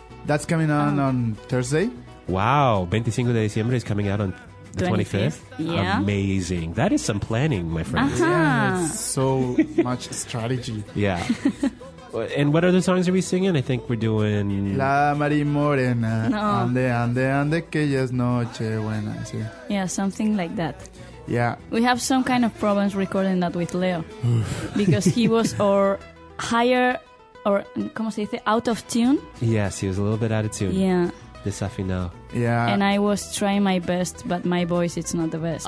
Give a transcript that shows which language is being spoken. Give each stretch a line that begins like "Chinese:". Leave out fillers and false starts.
English: That's coming out on Thursday. Wow, 25 de diciembre is coming out on the 25th? Yeah. Amazing. That is some planning, my friend. Uh-huh. Yeah, it's so much strategy. Yeah. And what other songs are we singing? I think we're doing
Spanish: La Marimorena. Ande, ande, ande, que ya es noche buena. Sí.
English: Yeah, something like that. Yeah. We have some kind of problems recording that with Leo. Because he was
Spanish: ¿cómo se dice?
English: Out of tune. Yes, he was a little bit out of tune. Yeah.
Spanish: Desafinado.
English: Yeah. And I was trying my best, but my voice, it's not the best.